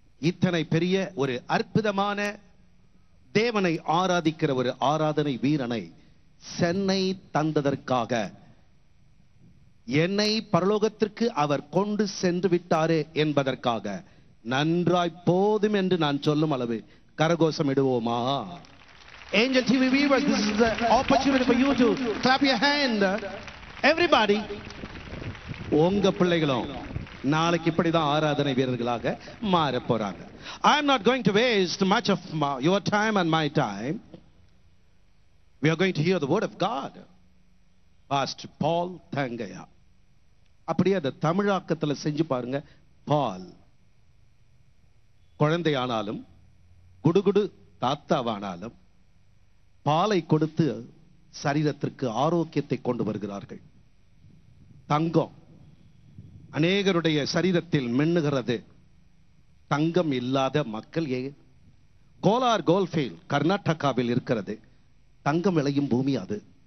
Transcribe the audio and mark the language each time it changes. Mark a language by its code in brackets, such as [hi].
[ta] இத்தனை பெரிய ஒரு அற்புதமான தேவனை ஆராதிக்கிற ஒரு ஆராதனை வீரனை சென்னை தந்ததற்காக என்னை பரலோகத்திற்கு அவர் கொண்டு சென்று விட்டாரே என்பதற்காக நன்றாய் போதும் என்று நான் சொல்லும் அளவு கரகோஷம் இடுவோமா [en] Angel TV viewers, this is the opportunity for you to clap your hand. Everybody. [ta] உங்க பிள்ளைகளும் நாளைக்கு இப்படிதான் ஆராதனை வீரர்களாக மாற போறாங்க [en] I am not going to waste much of your time and my time. We are going to hear the word of God. Pastor Paul Thangaya. [ta] அப்படியே அந்த தமிழாக்கத்துல செஞ்சு பாருங்க பால் குழந்தையானாலும் குடுகுடு தாத்தாவானாலும் பாலை கொடுத்து சரீரத்திற்கு ஆரோக்கியத்தை கொண்டு வருகிறார்கள் தங்கம் அநேகருடைய சரீரத்தில் மின்னுகிறது தங்கம் இல்லாத மக்கள் ஏ கோலார் கோல்ஃபீல் கர்நாடகாவில் இருக்கிறது தங்கம் விளையும் பூமி அது